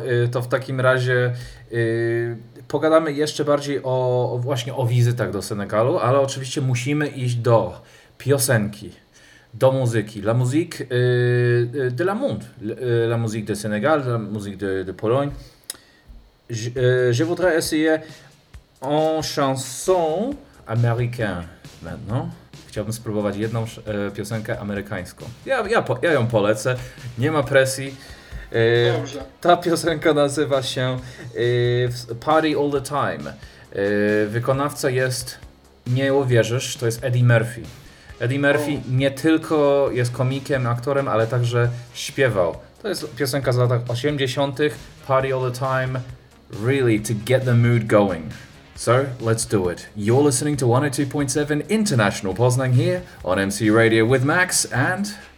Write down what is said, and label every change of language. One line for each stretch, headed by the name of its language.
Polish: To w takim razie pogadamy jeszcze bardziej o wizytach do Senegalu, ale oczywiście musimy iść do piosenki, do muzyki.
French: La musique de la monde. La musique de Sénégal, la musique de Pologne. Je voudrais essayer en chanson américaine maintenant.
Polish: Chciałbym spróbować jedną piosenkę amerykańską. Ja ją polecę, nie ma presji. Ta piosenka nazywa się Party All The Time. Wykonawca jest, nie uwierzysz, to jest Eddie Murphy. Eddie Murphy nie tylko jest komikiem, aktorem, ale także śpiewał. To jest piosenka z lat 80.
English: Party All The Time, really to get the mood going. So, let's do it. You're listening to 102.7 International Poznań here on MC Radio with Max and...